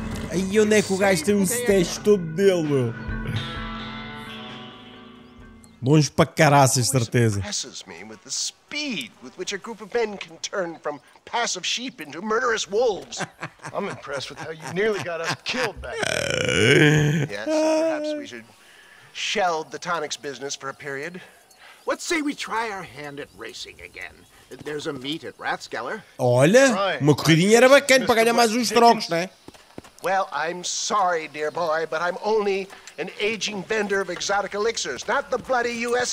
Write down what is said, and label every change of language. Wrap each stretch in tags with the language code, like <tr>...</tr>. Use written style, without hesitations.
<pt>Aí onde é que o gajo tem um stash todo dele, meu? Longe para caraças, certeza.</pt> <en>Me with the speed with which a group of men can turn from passive sheep into murderous wolves. I'm impressed with how you nearly got us killed back. Yes, perhaps we should shelve the tonics business for a period. Let's say we try our hand at racing again. There's a meet at Rathskeller.</en> <pt>Olha, uma corridinha era bacana para ganhar mais uns trocos, né?</pt> <en>Well, I'm sorry, dear boy, but I'm only an aging vendor of exotic elixirs, not the bloody U.S.</en>